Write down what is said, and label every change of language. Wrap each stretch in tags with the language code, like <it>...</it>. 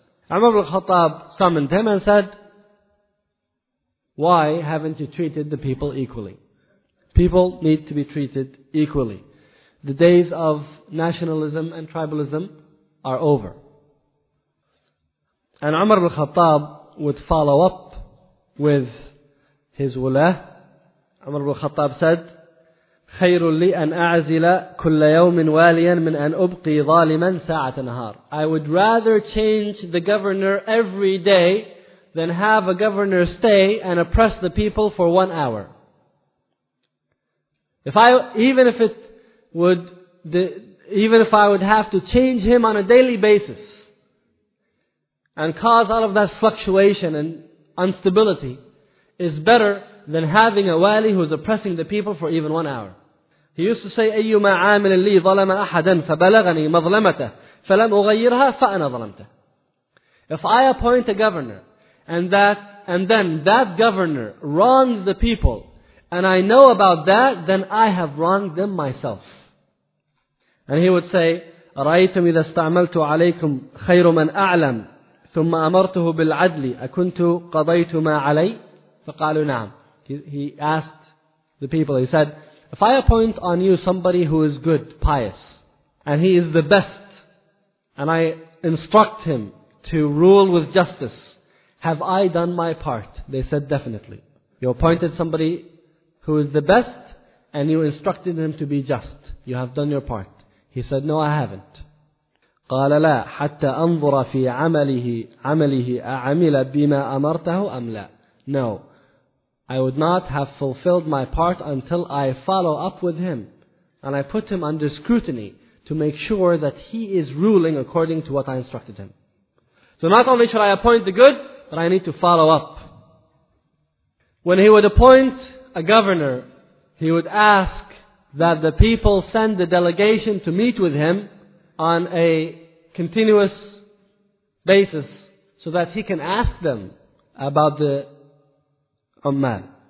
<en>Umar al-Khattab summoned him and said, "Why haven't you treated the people equally? People need to be treated equally. The days of nationalism and tribalism are over." And Umar al-Khattab would follow up with his wulah. Umar al-Khattab said,</en> <ar>خَيْرُ لِي أَنْ أَعْزِلَ كُلَّ يَوْمٍ وَالِيًا مِنْ أَنْ أُبْقِي ظَالِمًا سَاعَةَ نَهَارٍ.</ar> <en>I would rather change the governor every day than have a governor stay and oppress the people for 1 hour. Even if I would have to change him on a daily basis and cause all of that fluctuation and instability, is better than having a wali who is oppressing the people for even 1 hour. He used to say,</en> <ar>أَيُّمَا عَامِلٍ لِي ظَلَمَ أَحَدًا فَبَلَغَنِي مَظْلَمَتَهُ فَلَمْ أُغَيِّرْهَا فَأَنَا ظَلَمْتَهُ.</ar> <en>If I appoint a governor and then that governor wrongs the people and I know about that, then I have wronged them myself. And he would say,</en> <ar>رَأَيْتُمْ إِذَا اسْتَعْمَلْتُ عَلَيْكُمْ خَيْرُ مَنْ أَعْلَمْ ثُمَّ أَمَرْتُهُ بِالْعَدْلِ أَكُنْتُ قَضَيْتُ مَا عَلَيْهِ فَقَالُوا نَعَمْ.</ar> <en>He asked the people, he said, if I appoint on you somebody who is good, pious, and he is the best, and I instruct him to rule with justice, have I done my part? They said, definitely. You appointed somebody who is the best, and you instructed him to be just. You have done your part. He said, no, I haven't.</en> <ar>قَالَ لَا حَتَّى أَنظُرَ فِي عَمَلِهِ أَعَمِلَ بِمَا أَمَرْتَهُ أَمْ لَا.</ar> <en>No. I would not have fulfilled my part until I follow up with him. And I put him under scrutiny to make sure that he is ruling according to what I instructed him. So not only should I appoint the good, but I need to follow up. When he would appoint a governor, he would ask that the people send the delegation to meet with him on a continuous basis so that he can ask them about the Umman.</en>